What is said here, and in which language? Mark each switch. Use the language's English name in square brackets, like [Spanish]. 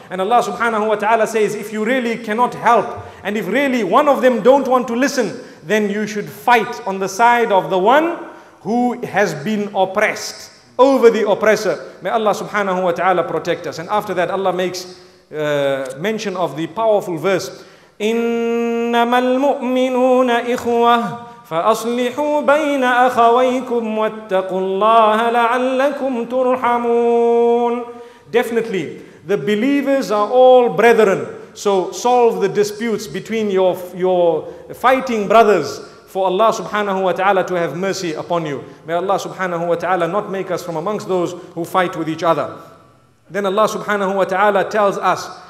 [English] And Allah subhanahu wa ta'ala says, if you really cannot help, and if really one of them don't want to listen, then you should fight on the side of the one who has been oppressed over the oppressor. May Allah subhanahu wa ta'ala protect us. And after that, Allah makes mention of the powerful verse, [Arabic] إنما المؤمنون إخوة فأصلحوا بين أخويكم واتقوا الله لعلكم ترحمون. [English] Definitely, the believers are all brethren, so solve the disputes between your fighting brothers for Allah subhanahu wa ta'ala to have mercy upon you. May Allah subhanahu wa ta'ala not make us from amongst those who fight with each other. Then Allah subhanahu wa ta'ala tells us